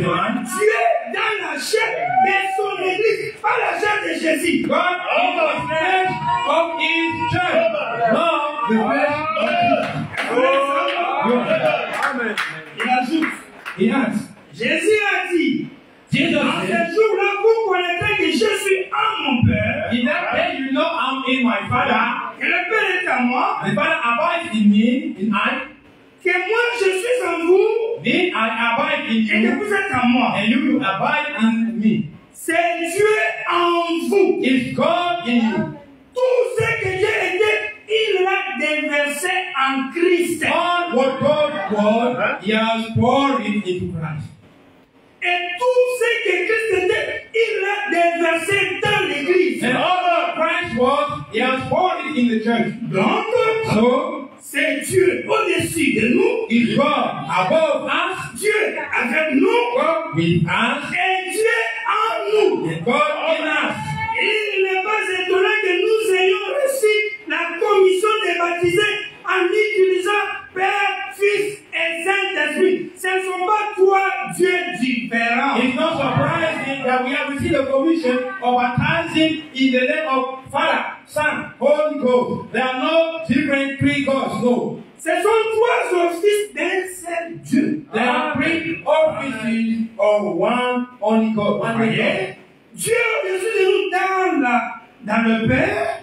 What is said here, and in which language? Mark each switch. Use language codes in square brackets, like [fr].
[fr] dans la chair de son église, pas la chair de Jésus. [en] God in the flesh of his church, not the flesh of Jesus. Amen. [fr] Il ajoute, [en] he has. [fr] Jésus a dit, [en] Jesus, [fr] en ce jour-là, vous connaîtrez que je suis en mon Père. [en] In that day, you know I'm in my Father. [fr] Que le Père est en moi. [en] The Father abides in me, in I. [fr] Que moi, je suis en vous. [en] Then I abide in you. [fr] Et que vous êtes en moi. [en] And you will abide in me. [fr] C'est Dieu en vous. [en] It's God in you. [fr] Tout ce que j'ai été, il l'a déversé en Christ. [en] All what God poured, he has poured it into Christ. [fr] Et tout ce que Christ était, il l'a déversé dans l'église. [en] And all that Christ was, he has poured it in the church. [fr] Donc, [en] so, [fr] c'est Dieu au-dessus de nous. [en] Is God above us. [fr] Dieu avec nous. [en] God with us. [fr] Et Dieu en nous. [en] And God in us. [fr] Il n'est pas étonnant que nous ayons reçu la commission de baptiser en utilisant Père, Fils et Saint-Esprit. Ce ne sont pas trois dieux différents. [en] It's not surprising that we have received the commission of baptizing in the name of Father, Son, Holy Ghost. There are no different three gods, no. [fr] Ce sont trois offices d'un seul Dieu. [en] There are three offices of one only God. One God. [fr] Dieu au-dessus de nous dans le Père.